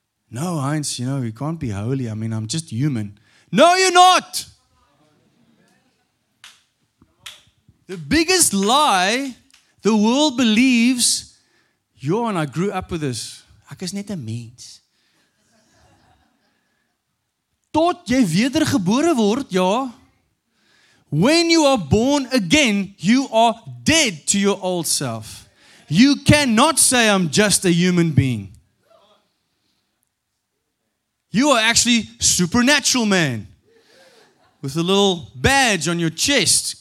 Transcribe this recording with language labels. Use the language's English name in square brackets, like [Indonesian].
[English] No, Heinz, you know, you can't be holy. I mean, I'm just human. No, you're not. The biggest lie the world believes, Johan, I grew up with this. [Afrikaans] Ek is net 'n mens. Tot jy wedergebore word, ja. [English] When you are born again, you are dead to your old self. You cannot say I'm just a human being. You are actually supernatural man with a little badge on your chest.